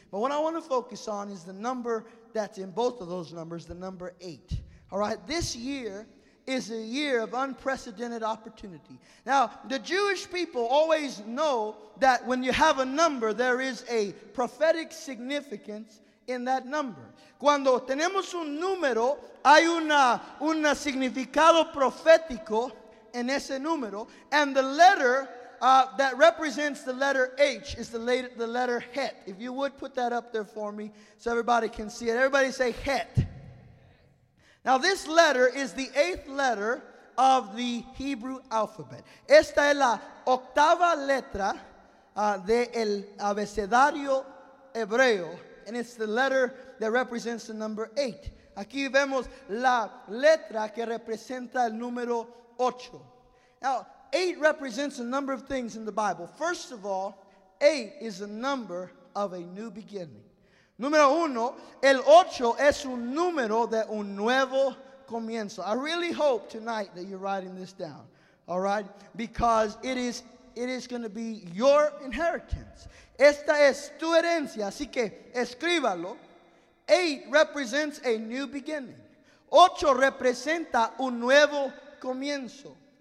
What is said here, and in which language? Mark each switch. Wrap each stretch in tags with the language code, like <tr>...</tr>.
<en>But what I want to focus on is the number that's in both of those numbers, the number 8. All right, this year is a year of unprecedented opportunity. Now, the Jewish people always know that when you have a number, there is a prophetic significance in that number.</en> <es>Cuando tenemos un número, hay una significado profético en ese número.</es> <en>And the letter that represents the letter H is the letter het. If you would put that up there for me so everybody can see it. Everybody say het. Now, this letter is the 8th letter of the Hebrew alphabet.</en> <es>Esta es la octava letra del abecedario hebreo.</es> <en>And it's the letter that represents the number 8.</en> <es>Aquí vemos la letra que representa el número 8.</es> <en>Now, 8 represents a number of things in the Bible. First of all, 8 is a number of a new beginning.</en> <es>Número uno, el ocho es un número de un nuevo comienzo.</es> <en>I really hope tonight that you're writing this down, all right? Because it is going to be your inheritance.</en> <es>Esta es tu herencia, así que escríbalo.</es> <en>8 represents a new beginning.</en> <es>8 representa un nuevo comienzo.</es>